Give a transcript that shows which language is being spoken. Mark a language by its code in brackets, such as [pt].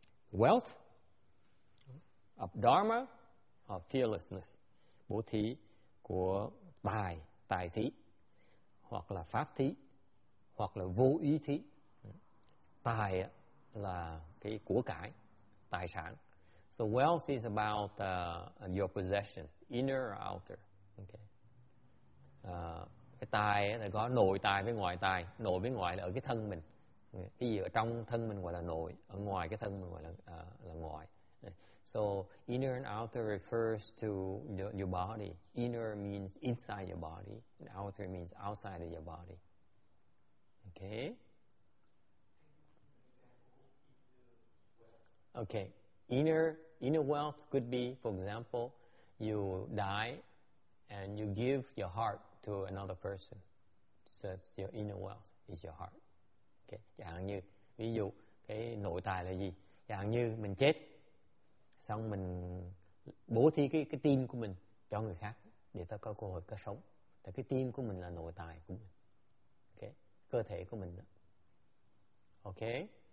[en] Wealth of dharma or fearlessness, [vi] bố thí của tài thí, hoặc là pháp thí, hoặc là vô ý thí. Tài là cái của cải, tài sản. [en] So wealth is about your possession, inner or outer. Okay. [vi] Cái tài là có nội tài với ngoại tài. Nội với ngoại là ở cái thân mình. Cái gì ở trong thân mình gọi là nội, ở ngoài cái thân mình gọi là ngoại. [en] So inner and outer refers to your body. Inner means inside your body, and outer means outside of your body. Okay? Okay. Inner wealth could be, for example, you die and you give your heart to another person. So your inner wealth is your heart. Okay. [vi] Dạng như, ví dụ, cái nội tài là gì? Dạng như mình chết, xong mình bố thí cái tim của mình cho người khác để ta có cơ hội có sống. Thì cái tim của mình là nội tài của mình. Okay. Cơ thể của mình đó. Okay.